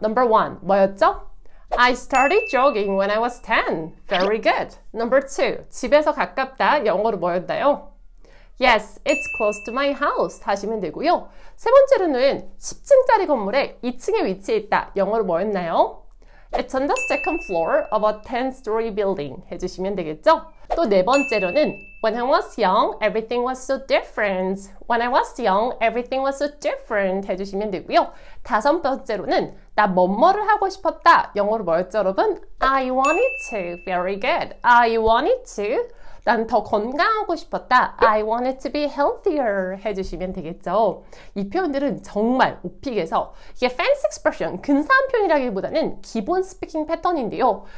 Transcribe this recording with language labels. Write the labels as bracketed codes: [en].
[en] Number one, [ko] 뭐였죠? [en] I started jogging when I was 10. Very good. Number two, [ko] 집에서 가깝다. 영어로 뭐였나요? [en] Yes, it's close to my house. [ko] 하시면 되고요. 세 번째로는 10층짜리 건물의 2층에 위치해 있다. 영어로 뭐였나요? [en] It's on the second floor of a 10-story building. [ko] 해주시면 되겠죠? 또네 번째로는 [en] When I was young, everything was so different. When I was young, everything was so different. [ko] 해주시면 되고요. 다섯 번째로는 나 뭐뭐를 하고 싶었다. 영어로 뭐였죠, 여러분? [en] I wanted to. Very good. I wanted to. [ko] 난더 건강하고 싶었다. [en] I wanted to be healthier. [ko] 해주시면 되겠죠. 이 표현들은 정말 오픽에서 이게 [en] fancy expression, [ko] 근사한 표현이라기보다는 기본 스피킹 패턴인데요.